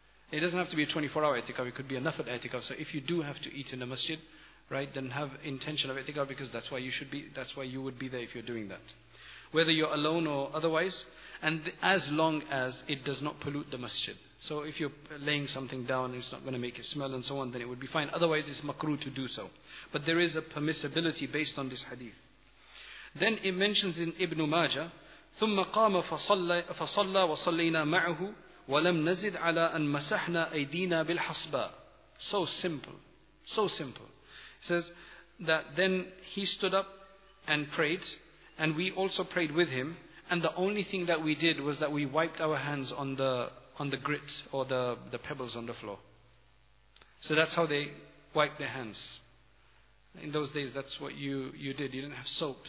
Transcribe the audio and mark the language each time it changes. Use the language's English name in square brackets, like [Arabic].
[English] It doesn't have to be a 24-hour i'tikaf, it could be a nafil i'tikaf. So if you do have to eat in the masjid, right, then have intention of i'tikaf, because that's why you should be, that's why you would be there if you're doing that. Whether you're alone or otherwise, and as long as it does not pollute the masjid. So if you're laying something down, it's not going to make it smell and so on, then it would be fine. Otherwise, it's makruh to do so. But there is a permissibility based on this hadith. Then it mentions in Ibn Majah, [Arabic] ثُمَّ قَامَ فَصَلَّى وَصَلَّيْنَا مَعُهُ وَلَمْ نَزِدْ عَلَىٰ أَنْ مَسَحْنَا أَيْدِينَا بِالْحَصْبَىٰ. [English] So simple. So simple. It says that then he stood up and prayed, and we also prayed with him. And the only thing that we did was that we wiped our hands on the grit or the pebbles on the floor. So that's how they wiped their hands. In those days, that's what you did. You didn't have soap.